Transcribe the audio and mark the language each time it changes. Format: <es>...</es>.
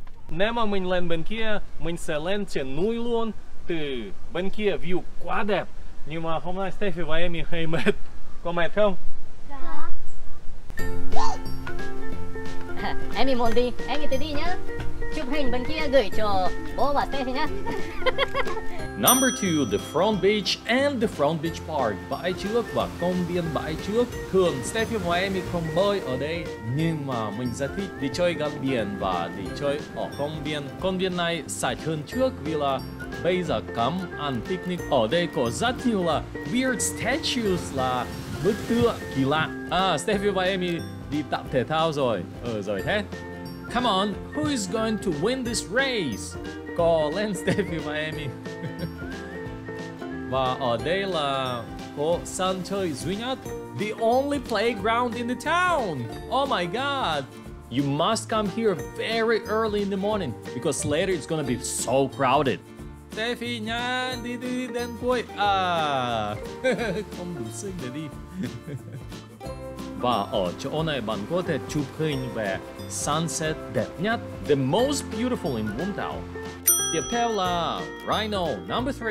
<vi>Nếu mà mình lên bên kia, mình sẽ lên trên núi luôn. Từ bên kia view quá đẹp. Nhưng mà hôm nay Stefi và Emi hơi mệt. Có mệt không? Dạ. Emi muốn đi, Emi thì đi nhá. Chụp hình bên kia gửi cho bố và Stefi nhá.</vi> <en>Number 2, the front beach and the front beach park.</en> <vi>Bãi Trước và công viên Bãi Trước. Thường Stefi và Emi không bơi ở đây, nhưng mà mình rất thích đi chơi gần biển và đi chơi ở công viên. Công viên này sạch hơn trước vì là bây giờ cấm ăn picnic. Ở đây có rất nhiều là</vi> <en>weird statues,</en> <vi>là bức tượng kỳ lạ. À, Stefi và Emi đi tập thể thao rồi. Ừ, rồi thế.</vi> <en>Come on, who is going to win this race?</en> <vi>Có lên Stefi và Emi. Và ở đây là có sân chơi duy nhất.</vi> <en>The only playground in the town. Oh my god. You must come here very early in the morning because later it's gonna be so crowded.</en> <vi>Stefi nha, đi đi đi đến cuối. À, không đủ sức để đi. Và ở chỗ này bạn có thể chụp hình về sunset đẹp nhất.</vi> <en>The most beautiful in Vũng Tàu.</en> <vi>Tiếp theo là</vi> <en>Rhino number 3.</en>